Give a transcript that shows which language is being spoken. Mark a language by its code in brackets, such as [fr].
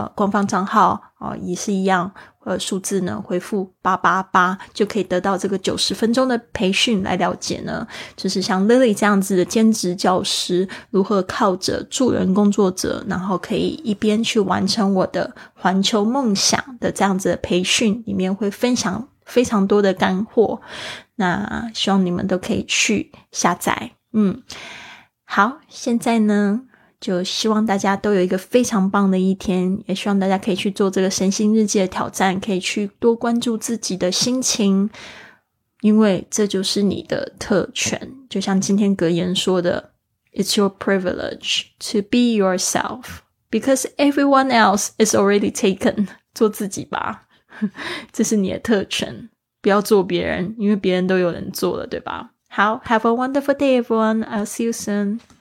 [zh] 方账号也是一样数字呢回复888，就可以得到这个90分钟的培训，来了解呢就是像 Lily 这样子的兼职教师如何靠着助人工作者，然后可以一边去完成我的环球梦想的这样子的培训，里面会分享非常多的干货，那希望你们都可以去下载。嗯，好，现在呢就希望大家都有一个非常棒的一天，也希望大家可以去做这个神性日记的挑战，可以去多关注自己的心情，因为这就是你的特权。就像今天格言说的 [en] It's your privilege to be yourself because everyone else is already taken. [zh] 做自己吧，这是你的特权，不要做别人，因为别人都有人做了，对吧？好， [en] Have a wonderful day everyone. I'll see you soon.